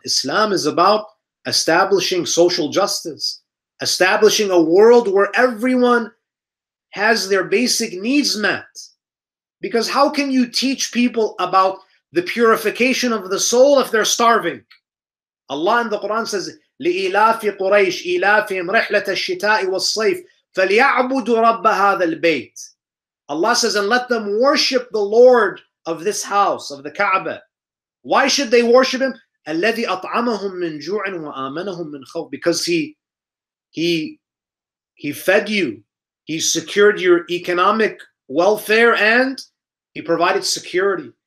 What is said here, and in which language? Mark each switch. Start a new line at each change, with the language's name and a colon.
English: Islam is about establishing social justice, establishing a world where everyone has their basic needs met. Because how can you teach people about the purification of the soul if they're starving? Allah in the Quran says,
Arabic: لِإِلَافِ قُرَيْشِ إِلَافِهِمْ رِحْلَةَ الشِّتَاءِ وَالصَّيْفِ فَلْيَعْبُدُ رَبَّ هَذَا الْبَيْتِ.
English: Allah says, and let them worship the Lord of this house, of the Kaaba. Why should they worship Him?
Arabic: الَّذِي أَطْعَمَهُمْ مِنْ جُوعٍ وَآمَنَهُمْ مِنْ خَوْفٍ.
English: Because he fed you, He secured your economic welfare, and He provided security.